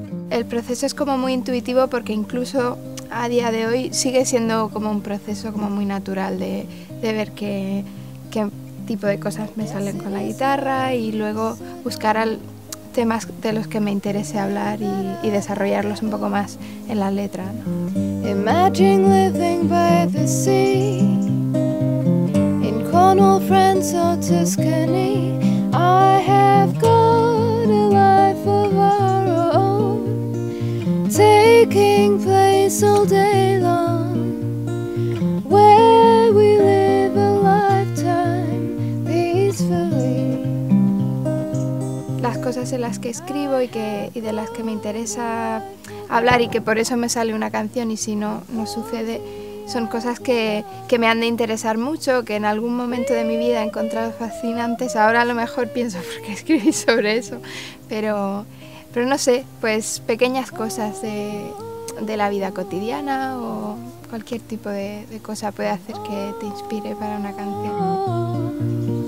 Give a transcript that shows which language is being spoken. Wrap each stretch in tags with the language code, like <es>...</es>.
<es>El proceso es como muy intuitivo, porque incluso a día de hoy sigue siendo como un proceso como muy natural de ver qué tipo de cosas me salen con la guitarra y luego buscar temas de los que me interese hablar y desarrollarlos un poco más en la letra, ¿no?</es> <en>Imagine living by the sea in Cornwall, France or Tuscany. I have got a life of our own, taking place all day long, where we live a lifetime peacefully.</en> <es>Las cosas en las que escribo y de las que me interesa hablar y que por eso me sale una canción y si no, no sucede. Son cosas que me han de interesar mucho, que en algún momento de mi vida he encontrado fascinantes. Ahora a lo mejor pienso por qué escribí sobre eso, pero no sé, pues pequeñas cosas de la vida cotidiana o cualquier tipo de cosa puede hacer que te inspire para una canción.</es>